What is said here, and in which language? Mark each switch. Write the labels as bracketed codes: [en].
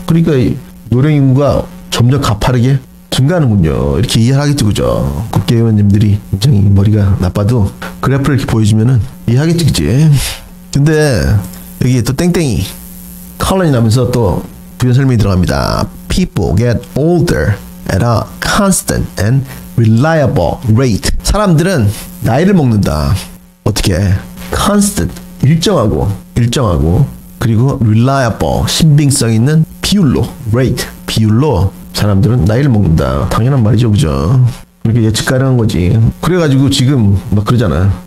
[ko] 그러니까 노령인구가 점점 가파르게 증가하는군요. 이렇게 이해하겠지, 그죠? 국회의원님들이 굉장히 머리가 나빠도 그래프를 이렇게 보여주면은 이해하겠지, 그치? 근데 여기 또 땡땡이 컬러니 나면서 또 부연 설명이 들어갑니다. [en] People get older at a constant and reliable rate. [ko] 사람들은 나이를 먹는다. 어떻게? constant, 일정하고, 일정하고, 그리고 reliable, 신빙성 있는 비율로, rate, 비율로 사람들은 나이를 먹는다. 당연한 말이죠, 그죠? 이렇게 예측 가능한 거지. 그래가지고 지금 막 그러잖아.